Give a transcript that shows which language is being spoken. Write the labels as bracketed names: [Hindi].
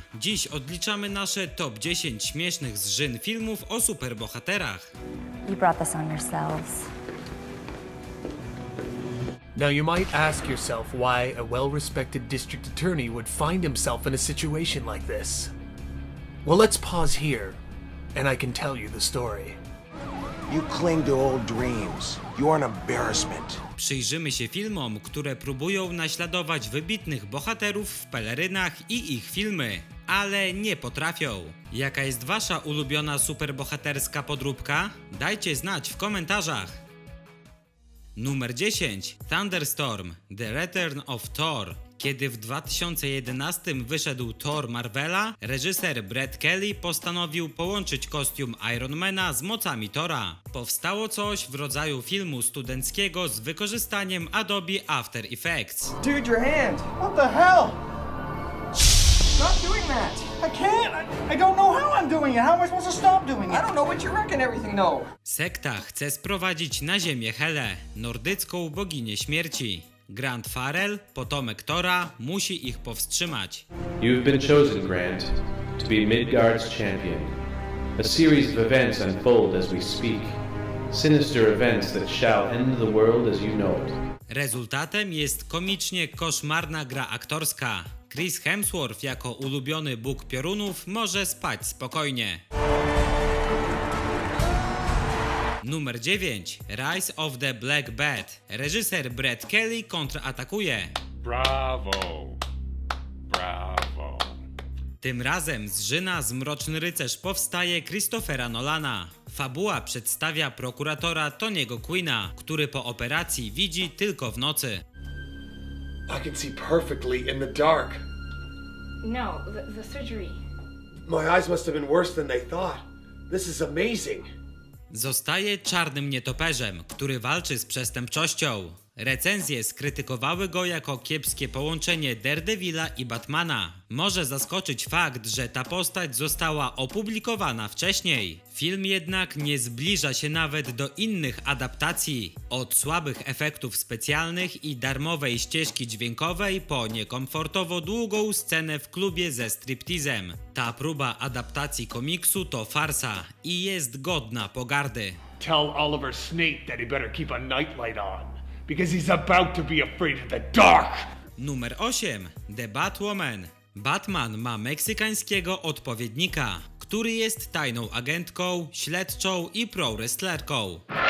[Polish] Dziś odliczamy nasze top 10 śmiesznych z żyn filmów o superbohaterach. [English] You brought this on yourselves. Now you might ask yourself why a well-respected district attorney would find himself in a situation like this. Well, let's pause here, and I can tell you the story. You cling to old dreams. You're an embarrassment. [Polish] Przyjrzymy się filmom, które próbują naśladować wybitnych bohaterów w pelerynach i ich filmy, ale nie potrafią. Jaka jest wasza ulubiona superbohaterska podróbka? Dajcie znać w komentarzach. Numer 10. Thunderstorm – The Return of Thor. Kiedy w 2011 wyszedł Thor Marvela, reżyser Brett Kelly postanowił połączyć kostium Iron Mana z mocami Thora. Powstało coś w rodzaju filmu studenckiego z wykorzystaniem Adobe After Effects. [English] Dude, your hand! What the hell? Stop doing that! I can't! I don't know how I'm doing it! How am I supposed to stop doing it? I don't know what you're wrecking everything, no! [Polish] Sekta chce sprowadzić na ziemię Helę, nordycką boginię śmierci. Grant Farrell, potomek Thora, musi ich powstrzymać. [English] You've been chosen, Grant, to be Midgard's champion. A series of events unfold as we speak. Sinister events that shall end the world as you know it. [Polish] Rezultatem jest komicznie koszmarna gra aktorska. Chris Hemsworth jako ulubiony bóg piorunów może spać spokojnie. Numer 9. Rise of the Black Bat. Reżyser Brett Kelly kontratakuje. [English] Bravo! Bravo! [Polish] Tym razem z żyna z Mroczny Rycerz powstaje Christophera Nolana. Fabuła przedstawia prokuratora Tony'ego Quinna, który po operacji widzi tylko w nocy. [English] I can see perfectly in the dark. No, the surgery. My eyes must have been worse than they thought. This is amazing. [Polish] Zostaje czarnym nietoperzem, który walczy z przestępczością. Recenzje skrytykowały go jako kiepskie połączenie Daredevila i Batmana. Może zaskoczyć fakt, że ta postać została opublikowana wcześniej. Film jednak nie zbliża się nawet do innych adaptacji. Od słabych efektów specjalnych i darmowej ścieżki dźwiękowej po niekomfortowo długą scenę w klubie ze striptizem. Ta próba adaptacji komiksu to farsa i jest godna pogardy. [English] Tell Oliver Snape that he better keep a nightlight on. Because he's about to be afraid of the dark. [Polish] Numer 8. The Batwoman. Batman ma meksykańskiego odpowiednika, który jest tajną agentką, śledczą i pro-wrestlerką.